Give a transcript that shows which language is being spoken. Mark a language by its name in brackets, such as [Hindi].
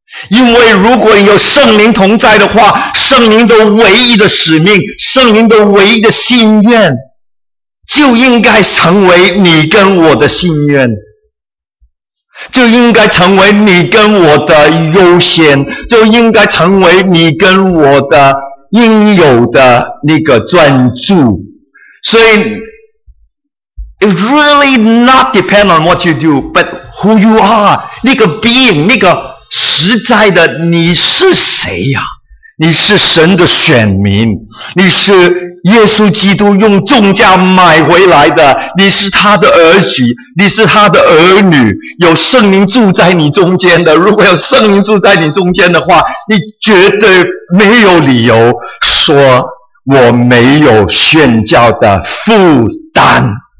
[Chinese] 因为如果有圣灵同在的话，圣灵的唯一的使命，圣灵的唯一的心愿，就应该成为你跟我的心愿，就应该成为你跟我的优先，就应该成为你跟我的应有的那个专注。所以 [English] It really not depend on what you do, but who you are. 那个 being, [Chinese] 那个实在的你是谁呀、啊？你是神的选民，你是耶稣基督用重价买回来的，你是他的儿媳，你是他的儿女，有圣灵住在你中间的。如果有圣灵住在你中间的话，你绝对没有理由说我没有宣教的负担。